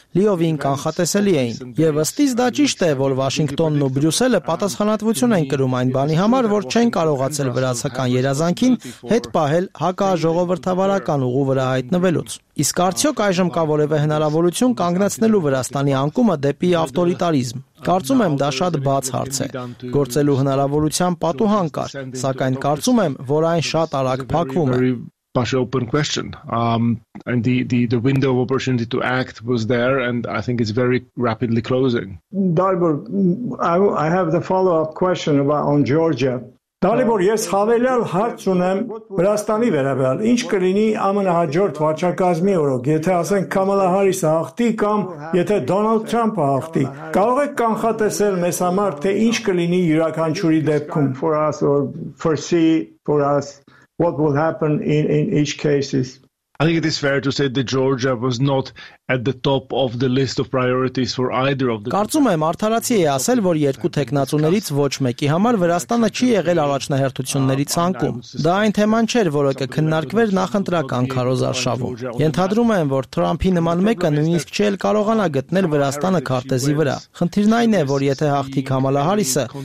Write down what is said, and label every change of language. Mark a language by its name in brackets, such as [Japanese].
[Armenian] լիովին կանխատեսելի էին։ Եվ ըստ իս դա ճիշտ է, որ Վաշինգտոնն ու Բրյուսելը պատասխանատվություն են կրում այն բանի համար, որ չեն կարողացել վրացական երազանքին հետ պահել հակաժողովրդավարական ուղու վրա հայտնվելուց։ Իսկ արդյոք այժմ կա որևէ հնարավորություն կանգնացնելու Վրաստանի անկումը դեպի ավտորիտարիզմ? Կարծում եմ, դա շատ բաց հարց է։ Գործելու հնարավորության պատուհան կար, սակայն կարծում եմ, որ այն շատ արագ փակվում է։ [English] Bush open question and the window of opportunity to act was there and I think it's very rapidly closing. Dalibor, I have the follow up question about on Georgia. [Armenian] Dalibor, ես հավելյալ հարց ունեմ Վրաստանի վերաբերյալ։ Ինչ կլինի ԱՄՆ հաջորդ վարչակազմի օրոք, եթե ասենք Քամալա Հարիսը հաղթի կամ եթե Դոնալդ Թրամփը հաղթի? Կարող եք կանխատեսել մեզ համար, թե ինչ կլինի յուրաքանչյուրի դեպքում? [English] For us or foresee for us what will happen in each cases? I think it is fair to say that Georgia was not at the top of the list of priorities for either of the [Armenian] Կարծում եմ արդարացի է ասել, որ երկու թեկնածուներից ոչ մեկի համար Վրաստանը չի եղել առաջնահերթությունների ցանկում։ Դա այն թեման չէր, որը կքննարկվեր նախընտրական քարոզարշավում։ Ենթադրում եմ, որ Թրամփի նման մեկը նույնիսկ չի էլ կարողանա գտնել Վրաստանը քարտեզի վրա։ Խնդիրն այն է, որ եթե հաղթի Քամալա Հարիսը,